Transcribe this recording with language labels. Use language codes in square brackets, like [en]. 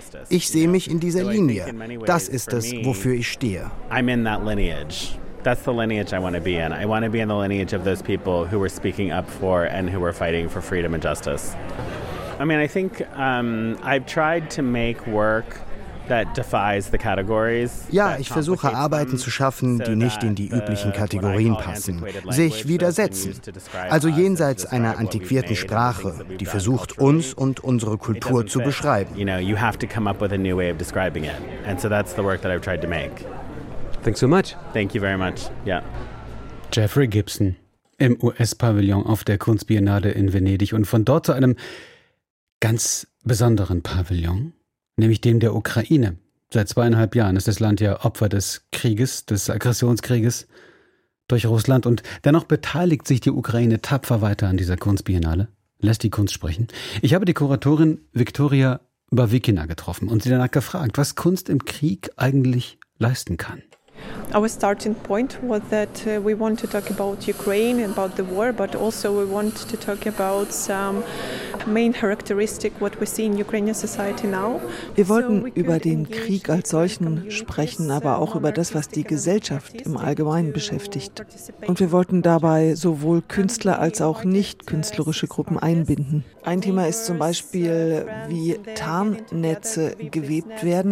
[de] Ich sehe mich in dieser Linie. Das ist es, wofür ich stehe. [en] I'm in that lineage. That's the lineage I want to be in. I want to be in the lineage of those people who were speaking up for and who were fighting for freedom and justice. I mean, I think I've tried to make work that defies the categories. [de] Ja, ich versuche Arbeiten zu schaffen, die nicht in die üblichen Kategorien passen, sich widersetzen. Also jenseits einer antiquierten Sprache, die versucht, uns und unsere Kultur zu beschreiben. [en] You know, you have to come up with a new way of describing it. And so that's the work that I've tried to make. Thanks so much. Thank you very much. Yeah. [de] Jeffrey Gibson im US-Pavillon auf der Kunstbiennale in Venedig und von dort zu einem ganz besonderen Pavillon. Nämlich dem der Ukraine. Seit 2,5 Jahren ist das Land ja Opfer des Krieges, des Aggressionskrieges durch Russland. Und dennoch beteiligt sich die Ukraine tapfer weiter an dieser Kunstbiennale. Lässt die Kunst sprechen. Ich habe die Kuratorin Viktoria Bavikina getroffen und sie danach gefragt, was Kunst im Krieg eigentlich leisten kann. [en] Our starting point was that we want to talk about Ukraine and about the war, but also we want to talk about some main characteristic what we see in Ukrainian society now. [de] Wir wollten über den Krieg als solchen sprechen, aber auch über das, was die Gesellschaft im Allgemeinen beschäftigt. Und wir wollten dabei sowohl Künstler als auch nicht künstlerische Gruppen einbinden. Ein Thema ist zum Beispiel, wie Tarnnetze gewebt werden.